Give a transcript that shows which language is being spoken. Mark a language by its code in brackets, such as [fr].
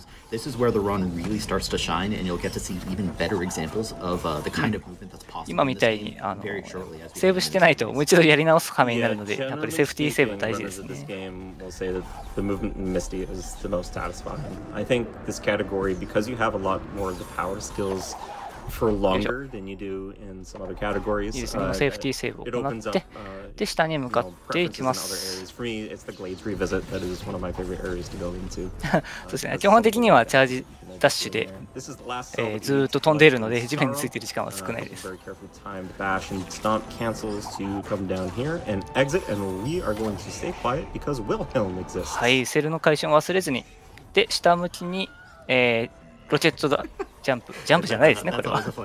[en] This is where the run really starts to shine, and you'll get to see even better examples of the kind of movement that's possible. [ja] 今みたいにセーブしてないともう一度やり直す場面になるので、やっぱりセーフティーセーブ大事ですね。 [en] The movement in Misty is the most satisfying. I think this category, because you have a lot more of the power skills, for longer than you do in some other categories. Safety save. It opens up. [ja] で下に向かっていきます。 [en] For me, it's the Glades revisit that is one of my favorite areas to go into. [ja] そうですね。基本的にはチャージダッシュで、ずっと飛んでいるので地面についている時間は少ないです。 [en] Very careful time to bash and stomp cancels to come down here and exit, and we are going to stay quiet because Wilhelm exists. [ja] はい、セルの回収を忘れずに。で下向きに、ロケットだ。ジャンプじゃないですね、これは。